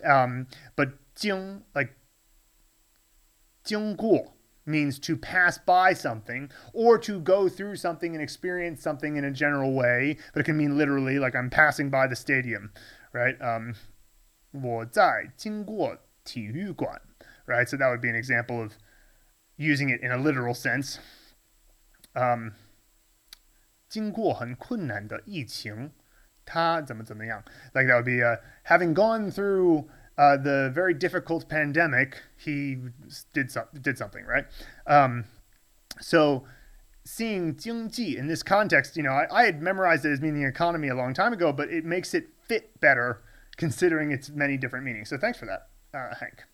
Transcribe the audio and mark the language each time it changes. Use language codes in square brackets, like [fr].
[en] But Jing, like Jing Guo, means to pass by something, or to go through something and experience something in a general way, but it can mean literally, like I'm passing by the stadium, right? [zh] 我在经过体育馆, [en] right? So that would be an example of using it in a literal sense. [zh] 经过很困难的疫情,他怎么怎么样? [en] Like that would be having gone through the very difficult pandemic, he did something, right? So seeing 经济 in this context, you know, I had memorized it as meaning economy a long time ago, but it makes it fit better considering its many different meanings. So thanks for that, Hank.